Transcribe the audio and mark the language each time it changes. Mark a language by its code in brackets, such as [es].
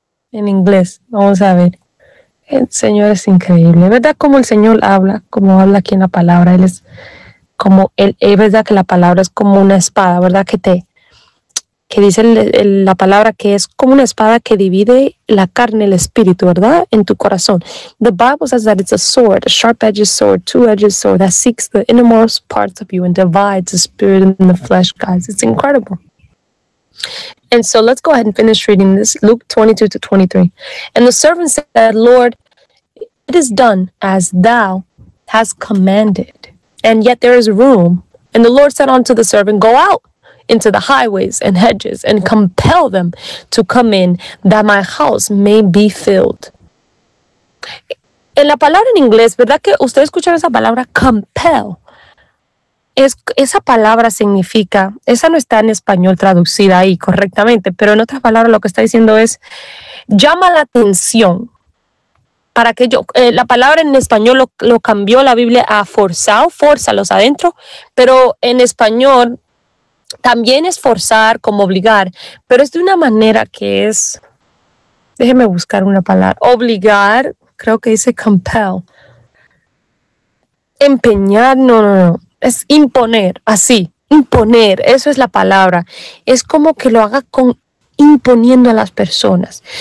[es] En inglés, vamos a ver. El Señor es increíble, ¿verdad? Como el Señor habla, como habla aquí en la palabra. Él es como, es verdad que la palabra es como una espada, ¿verdad? Que dice la palabra que es como una espada que divide la carne, el espíritu, ¿verdad? En tu corazón. [en] The Bible says that it's a sword, a sharp-edged sword, two-edged sword that seeks the innermost parts of you and divides the spirit and the flesh, guys. It's incredible. And so let's go ahead and finish reading this, Luke 22 to 23. And the servant said, Lord, it is done as thou hast commanded, and yet there is room. And the Lord said unto the servant, go out into the highways and hedges and compel them to come in that my house may be filled. [es] En la palabra en inglés, ¿verdad que ustedes escucharon esa palabra compel? Esa palabra significa, esa no está en español traducida ahí correctamente, pero en otras palabras lo que está diciendo es llama la atención. Para que yo, la palabra en español lo cambió la Biblia a forzado, fórzalos adentro, pero en español también es forzar, como obligar, pero es de una manera que es, déjeme buscar una palabra, obligar, creo que dice compel, empeñar, no, es imponer, así, imponer, eso es la palabra, es como que lo haga con imponiendo a las personas.